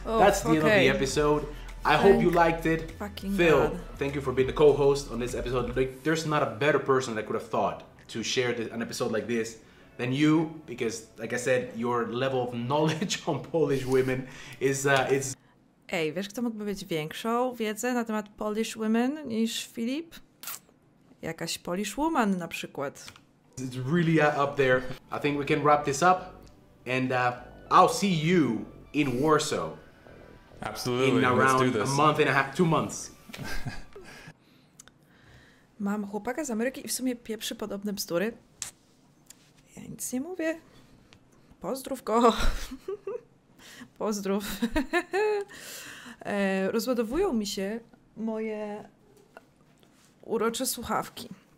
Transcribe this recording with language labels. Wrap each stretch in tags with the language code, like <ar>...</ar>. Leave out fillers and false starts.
<en>Oh, that's the end of the episode. I hope you liked it. Phil, God. Thank you for being the co-host on this episode. Like, there's not a better person that could have thought to share an episode like this than you, because like I said, your level of knowledge on Polish women is...</en> <pl>Ej, wiesz, kto mógłby mieć większą wiedzę na temat</pl> <en>Polish women</en> <pl>niż Filip? Jakaś</pl> <en>Polish woman</en> <pl>na przykład.</pl> <en>It's really up there. I think we can wrap this up and I'll see you in Warsaw. Absolutely, in around let's do this. A month and a half, 2 months.</en> <pl>Mam chłopaka z Ameryki i w sumie pieprzy podobne bzdury. Ja nic nie mówię. Pozdrów go. Pozdrów. Rozładowują mi się moje urocze słuchawki.</pl>